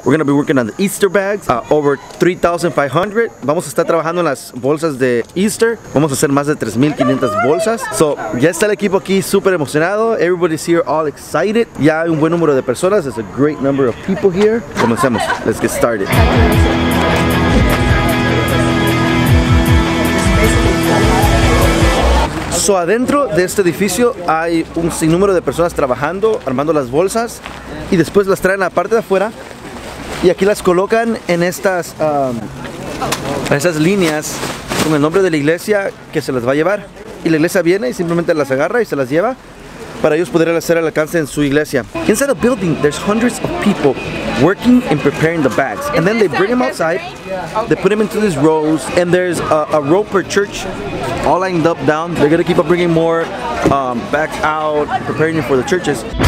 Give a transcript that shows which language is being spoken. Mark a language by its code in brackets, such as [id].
[en] We're going to be working on the Easter bags, over 3,500. [es] Vamos a estar trabajando en las bolsas de Easter. Vamos a hacer más de 3,500 bolsas. So, ya está el equipo aquí súper emocionado. [en] Everybody's here all excited. [es] Ya hay un buen número de personas. [en] There's a great number of people here. [es] Comencemos. [en] Let's get started. [es] So, adentro de este edificio hay un sinnúmero de personas trabajando, armando las bolsas. Y después las traen a la parte de afuera y aquí las colocan en estas esas líneas con el nombre de la iglesia que se las va a llevar. Y la iglesia viene y simplemente las agarra y se las lleva para ellos poder hacer el alcance en su iglesia. [en] Inside a building, there's hundreds of people working and preparing the bags. And then they bring them outside, they put them into these rows, and there's a row per church all lined up down. They're gonna keep on bringing more bags out, preparing it for the churches.